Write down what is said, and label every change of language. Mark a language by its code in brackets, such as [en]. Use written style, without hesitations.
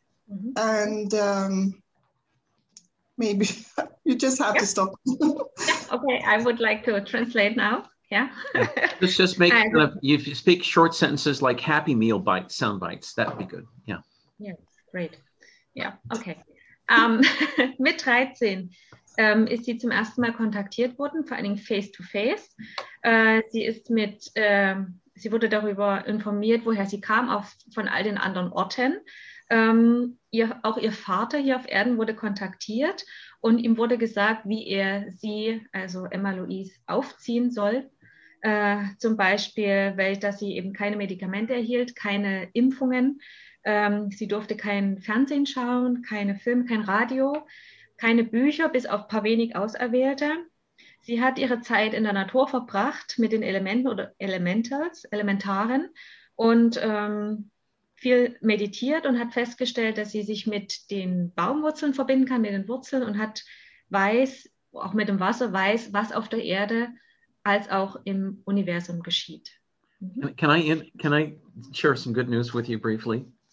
[en] Mm-hmm. And maybe you just have to stop. Okay, I would like to translate now. Yeah. Let's just make kind of, if you speak short sentences like Happy Meal bites, sound bites, that would be good. Yeah. Yeah, great. Ja, okay. [de] mit 13 ist sie zum ersten Mal kontaktiert worden, vor allen Dingen face-to-face. Sie wurde darüber informiert, woher sie kam, auch von all den anderen Orten. Auch ihr Vater hier auf Erden wurde kontaktiert und ihm wurde gesagt, wie er sie, also Emma-Louise, aufziehen soll. Zum Beispiel, dass sie eben keine Medikamente erhielt, keine Impfungen. Sie durfte kein Fernsehen schauen, keine Filme, kein Radio, keine Bücher, bis auf ein paar wenig Auserwählte. Sie hat ihre Zeit in der Natur verbracht mit den Elementen oder Elementaren und viel meditiert und hat festgestellt, dass sie sich mit den Baumwurzeln verbinden kann, mit den Wurzeln und hat weiß, auch mit dem Wasser weiß, was auf der Erde als auch im Universum geschieht. Mhm. [en] Can I share some good news with you briefly?